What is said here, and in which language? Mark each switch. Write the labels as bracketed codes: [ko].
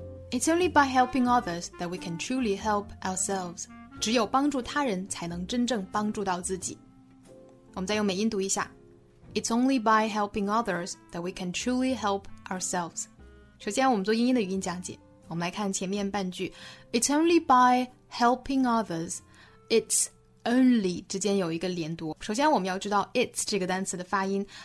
[en] It's only by helping others that we can truly help ourselves. [zh] 只有帮助他人才能真正帮助到自己。我们再用美音读一下。 [en] It's only by helping others that we can truly help ourselves. [zh] 首先我们做英音的语音讲解。我们来看前面半句。 [en] It's only by helping others. [zh] It's only 之间有一个连读。首先我们要知道 it's 这个单词的发音。